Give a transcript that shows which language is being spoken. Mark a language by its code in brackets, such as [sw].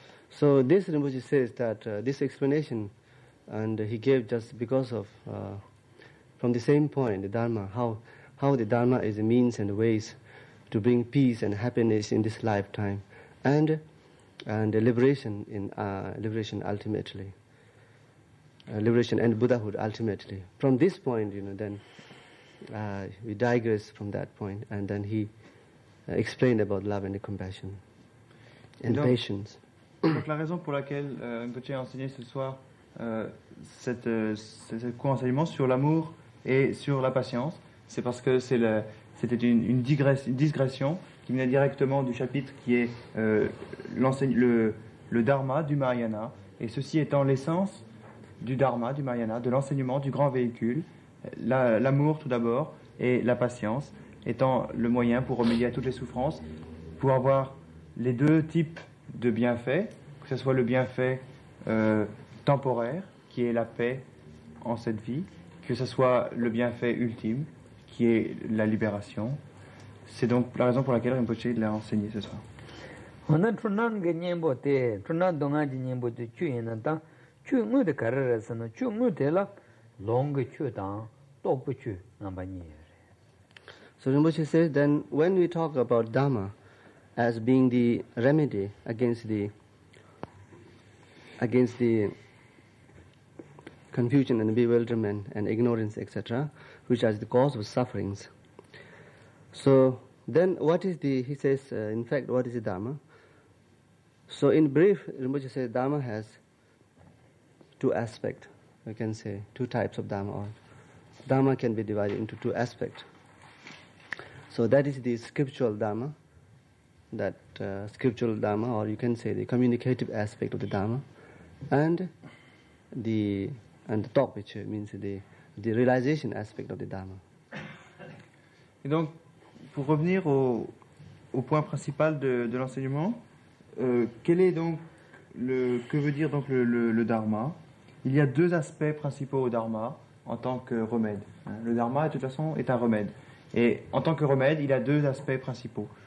[en] So this Rinpoche says that this explanation and he gave just because of from the same point the Dharma how the Dharma is a means and ways to bring peace and happiness in this lifetime and liberation and Buddhahood ultimately from this point then we digress from that point and then he explained about love and compassion and [fr] donc, patience. Donc la raison pour laquelle Rinpoche a enseigné ce soir cet co-enseignement sur l'amour et sur la patience, c'est parce que c'était une digression qui venait directement du chapitre qui est le Dharma du Mahayana, et ceci étant l'essence du Dharma du Mahayana, de l'enseignement du grand véhicule, l'amour tout d'abord, et la patience étant le moyen pour remédier à toutes les souffrances, pouvoir avoir les deux types de bienfaits, que ce soit le bienfait temporaire, qui est la paix en cette vie, que ce soit le bienfait ultime, qui est la libération. C'est donc la raison pour laquelle Rinpoche l'a enseigné ce soir. On a [en] So Rinpoche says, then when we talk about Dhamma as being the remedy against the confusion and bewilderment and ignorance, etc., which are the cause of sufferings, so then what is the, he says, in fact, what is the Dhamma? So in brief, Rinpoche says Dhamma has two aspects, we can say, two types of Dhamma. Or Dhamma can be divided into two aspects. So that is the scriptural Dhamma, that scriptural Dhamma, or you can say the communicative aspect of the Dhamma, and the talk, which means the realization aspect of the Dhamma. [fr] Et donc, pour revenir au point principal de l'enseignement, quel est donc que veut dire le Dharma? Il y a deux aspects principaux au Dharma en tant que remède. Le Dharma, de toute façon, est un remède. Et en tant que remède, il y a deux aspects principaux.